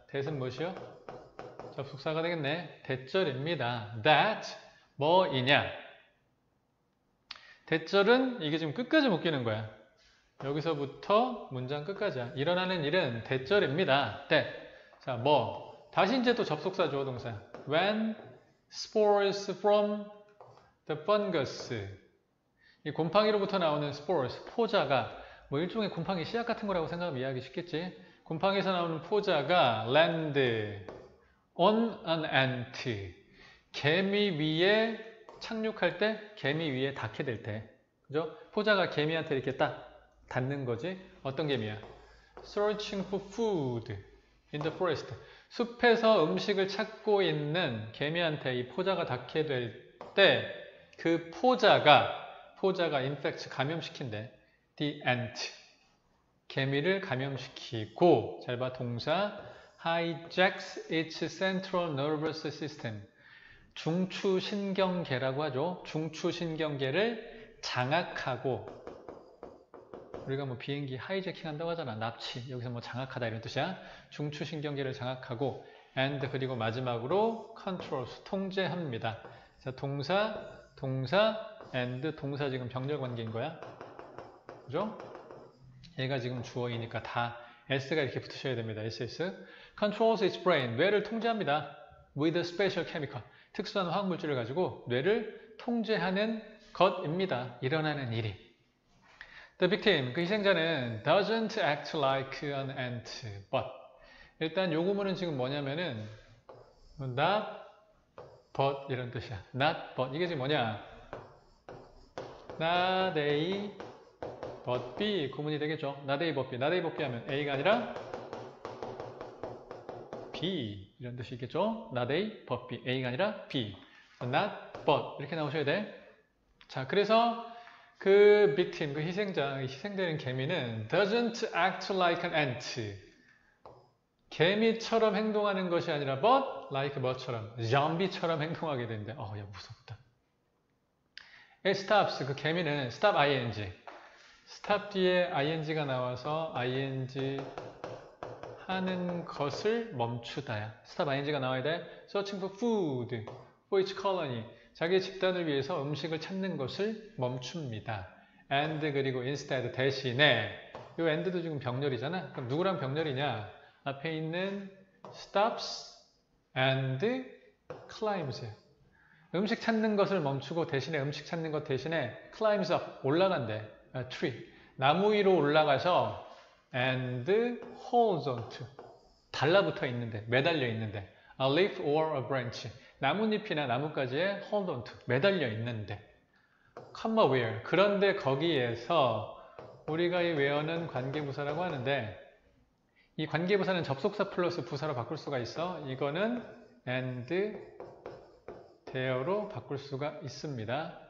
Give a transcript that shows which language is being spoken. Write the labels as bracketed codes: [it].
[ko] that은 무엇이요? 접속사가 되겠네. 대절입니다. that 뭐이냐? 대절은 이게 지금 끝까지 묶이는 거야. 여기서부터 문장 끝까지야. 일어나는 일은 대절입니다. 때. 자, 뭐. 다시 이제 또 접속사 주어 동사. [en] When spores from the fungus. [ko] 이 곰팡이로부터 나오는 spores, 포자가 뭐 일종의 곰팡이 씨앗 같은 거라고 생각하면 이해하기 쉽겠지. 곰팡이에서 나오는 포자가 [en] land on an ant. [ko] 개미 위에 착륙할 때, 개미 위에 닿게 될 때. 그죠? 포자가 개미한테 이렇게 딱 닿는 거지. 어떤 개미야? [en] Searching for food in the forest. [ko] 숲에서 음식을 찾고 있는 개미한테 이 포자가 닿게 될 때, 그 포자가 infect 감염시킨대. [en] The ant [ko] 개미를 감염시키고, 잘 봐, 동사 [en] hijacks its central nervous system. [ko] 중추신경계라고 하죠. 중추신경계를 장악하고. 우리가 뭐 비행기 하이재킹 한다고 하잖아. 납치. 여기서 뭐 장악하다 이런 뜻이야. 중추신경계를 장악하고 and 그리고 마지막으로 controls 통제합니다. 자, 동사, 동사, and 동사 지금 병렬 관계인 거야. 그죠? 얘가 지금 주어이니까 다 s가 이렇게 붙으셔야 됩니다. [en] ss. controls its brain. [ko] 뇌를 통제합니다. [en] with a special chemical. [ko] 특수한 화학물질을 가지고 뇌를 통제하는 것입니다. 일어나는 일이. [en] The victim, [ko] 그 희생자는 [en] doesn't act like an ant, but [ko] 일단 요 구문은 지금 뭐냐면은 [en] not, but [ko] 이런 뜻이야. [en] not, but [ko] 이게 지금 뭐냐? [en] not a, but b [ko] 구문이 되겠죠. [en] not a, but b. not a, but b [ko] 하면 a가 아니라 b 이런 뜻이 있겠죠. [en] not a, but b. [ko] a가 아니라 b. [en] so not, but [ko] 이렇게 나오셔야 돼. 자, 그래서 그 victim, 그 희생자, 희생되는 개미는 [en] doesn't act like an ant. [ko] 개미처럼 행동하는 것이 아니라 but like but처럼, 좀비처럼 행동하게 되는데, 야, 무섭다. [en] It stops, [ko] 그 개미는 [en] stop ing. [ko] stop 뒤에 ing가 나와서 ing 하는 것을 멈추다야. stop ing가 나와야 돼. [en] searching for food, for its colony. [ko] 자기 집단을 위해서 음식을 찾는 것을 멈춥니다. and 그리고 instead 대신에 이 and도 지금 병렬이잖아. 그럼 누구랑 병렬이냐? 앞에 있는 [en] stops and climbs. [ko] 음식 찾는 것을 멈추고 대신에 음식 찾는 것 대신에 [en] climbs up [ko] 올라간대. [en] A tree [ko] 나무 위로 올라가서 [en] and holds on to [ko] 달라붙어 있는데 매달려 있는데 [en] a leaf or a branch. [ko] 나뭇잎이나 나뭇가지에 [en] hold on to, [ko] 매달려 있는데. [en] comma where. [ko] 그런데 거기에서 우리가 이 where는 관계부사라고 하는데, 이 관계부사는 접속사 플러스 부사로 바꿀 수가 있어. 이거는 [en] and there [ko] 로 바꿀 수가 있습니다.